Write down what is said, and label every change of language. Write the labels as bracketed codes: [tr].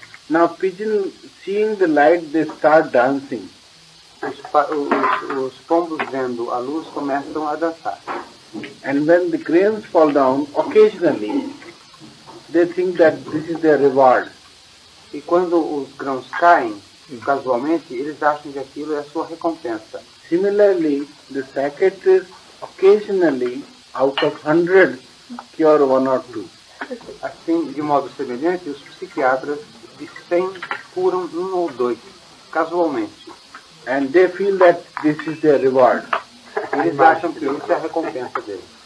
[en] Now, pigeon, seeing the light, they start dancing. [pt] Os pombos vendo a luz começam a dançar. [en] And when the grains fall down, occasionally, they think that this is their reward. [pt] E quando os grãos caem, casualmente, eles acham que aquilo é a sua recompensa. [en] Similarly, the secretary occasionally, out of 100, cure one or two. [pt] Assim, de modo semelhante, os psiquiatras de 100 curam um ou dois, casualmente. [en] And they feel that this is their reward. [pt] Eles acham que isso é a recompensa deles.